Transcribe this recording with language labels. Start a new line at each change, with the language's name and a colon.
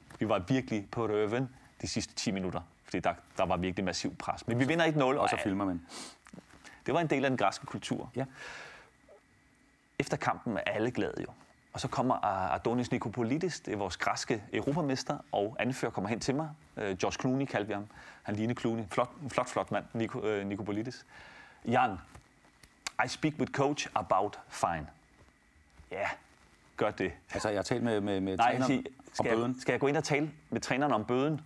Danish: Vi var virkelig på røven de sidste 10 minutter, fordi der var virkelig massiv pres. Men vi vinder 1-0. Og så filmer man. Det var en del af den græske kultur. Ja. Efter kampen er alle glade jo. Og så kommer Adonis Nikopolidis, det er vores græske europamester, og anfører kommer hen til mig. George Clooney kaldte vi ham. Han ligner Clooney. Flot mand, Nikopolidis.
English: Jan, I speak with coach about fine.
Danish: Ja, yeah, gør det. Altså, jeg har talt med træneren om bøden. Skal jeg gå ind og tale med træneren om bøden?